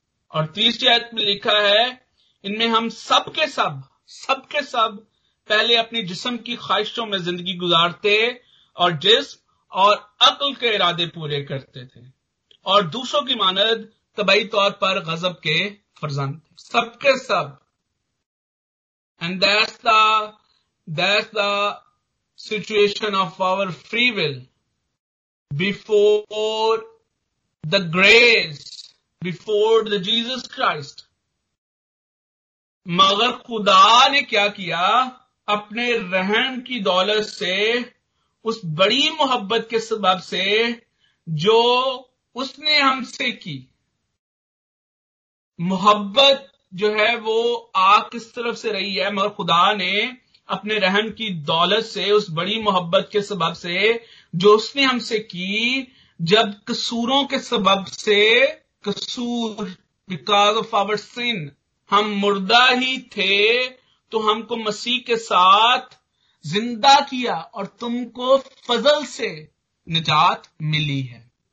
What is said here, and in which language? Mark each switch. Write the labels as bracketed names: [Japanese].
[Urdu] اور تیسری آیت میں لکھا ہے, ان میں ہم سب کے سب پہلے اپنے جسم کی خواہشوں میں زندگی گزارتے اور جسم اور عقل کے ارادے پورے کرتے تھے, اور دوسروں کی مانند طبعی طور پر غضب کے فرزند. سب کے سب, [English] And that's the situation of our free will before the grace, before the Jesus Christ. [Urdu] مگر خدا نے کیا, اپنے رحم کی دولت سے, اس بڑی محبت کے سبب سے جو اس نے ہم سے کی. محبت جو ہے وہ آ کس طرف سے رہی ہے, مگر خدا نے اپنے رحم کی دولت سے, اس بڑی محبت کے سبب سے جو اس نے ہم سے کی, جب قصوروں کے سبب سے, قصور [English] because of our sin, [Urdu] ہم مردہ ہی تھے, تو ہم کو مسیح کے ساتھ زندہ کیا اور تم کو فضل سے نجات ملی ہے.